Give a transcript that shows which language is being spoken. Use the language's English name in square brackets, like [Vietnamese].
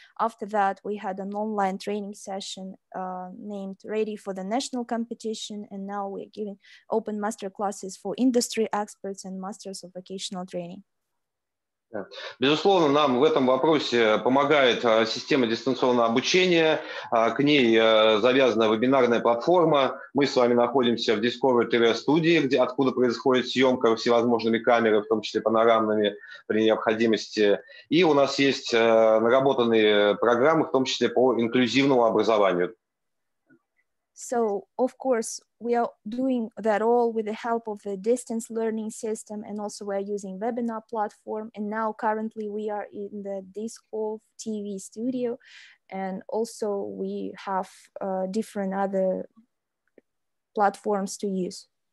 [English] After that, we had an online training session named Ready for the National Competition. And now we're giving open master classes for industry experts and masters of vocational training. [Russian] Безусловно, нам в этом вопросе помогает система дистанционного обучения. К ней завязана вебинарная платформа. Мы с вами находимся в Discovery TV студии, где откуда происходит съемка всевозможными камерами, в том числе панорамными при необходимости. И у нас есть наработанные программы, в том числе по инклюзивному образованию. [English] So, of course, we are doing that all with the help of the distance learning system, and also we are using webinar platform, and now currently we are in the Discord TV studio, and also we have different other platforms to use.